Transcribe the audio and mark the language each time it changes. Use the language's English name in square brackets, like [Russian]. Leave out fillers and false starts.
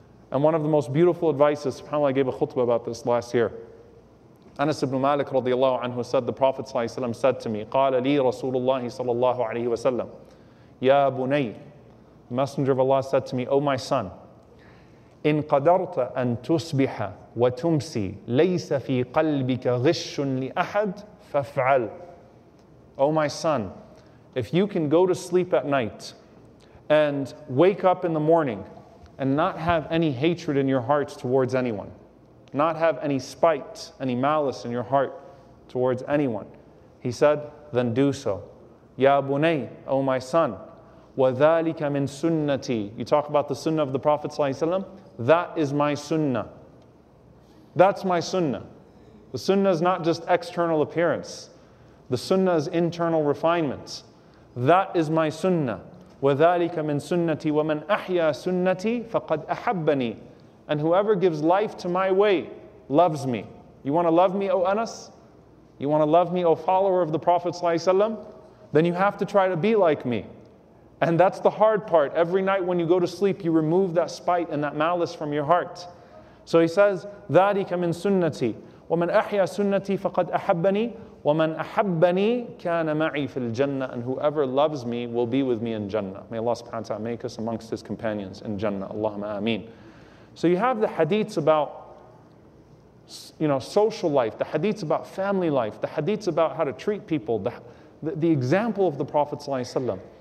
[English] And one of the most beautiful advices, subhanAllah, I gave a khutbah about this last year. Anas ibn Malik radiallahu anhu said, the Prophet sallallahu alayhi wa sallam said to me, [Arabic] قَالَ لِي رَسُولُ اللَّهِ صَلَى اللَّهُ عَلَيْهِ وَسَلَّمْ يَا بُنَيْ. [English] The Messenger of Allah said to me, O my son, [Arabic] إن قدرت أن تصبح وتمسي ليس في قلبك غش لأحد فافعل. [English] Oh my son, if you can go to sleep at night and wake up in the morning and not have any hatred in your hearts towards anyone, not have any spite, any malice in your heart towards anyone, he said, then do so. [Arabic] Ya bunay, [English] oh my son, [Arabic] wa dhalika min sunnati. [English] You talk about the sunnah of the Prophet sallallahu alaihi wasallam. That is my sunnah. That's my sunnah. The sunnah is not just external appearance. The sunnah is internal refinement. That is my sunnah. [Arabic] وَذَٰلِكَ مِن سُنَّتِي وَمَنْ أَحْيَى سُنَّتِي فَقَدْ أَحَبَّنِي. [English] And whoever gives life to my way loves me. You want to love me, O Anas? You want to love me, O follower of the Prophet ﷺ? Then you have to try to be like me. And that's the hard part. Every night when you go to sleep, you remove that spite and that malice from your heart. So he says, [Arabic] ذَٰلِكَ مِن سُنَّتِي وَمَنْ أَحْيَى سُنَّتِي فَقَدْ أَحَبَّنِي وَمَنْ أَحَبَّنِي كَانَ مَعِي فِي الْجَنَّةِ. [English] And whoever loves me will be with me in Jannah. May Allah subhanahu wa ta'ala make us amongst his companions in Jannah. Allahumma ameen. So you have the hadiths about, you know, social life, the hadiths about family life, the hadiths about how to treat people, the example of the Prophet ﷺ.